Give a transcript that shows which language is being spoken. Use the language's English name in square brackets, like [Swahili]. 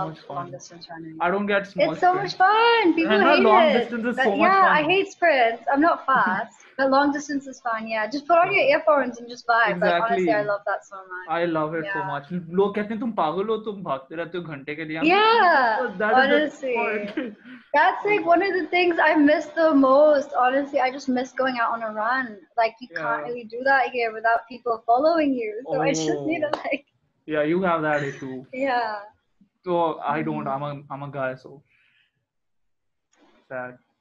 [English] I run cross country too. It's so much fun. I don't get small. It's so much fun. People hate it. Long distance is so much fun. Yeah, I hate sprints. I'm not fast, but long distance is fun. Yeah, just put on your earphones and just vibe. Exactly. Like, honestly, I love that so much. I love it so much. [Urdu] लोग कहते हैं तुम पागल हो तुम भागते रहते हो घंटे के लिए. [English] Yeah. Honestly, that's like one of the things I miss the most. Honestly, I just miss going out on a run. Like you can't really do that here without people following you. So I just need to like. Yeah, you have that issue. Yeah. So I don't. I'm a guy, so sad.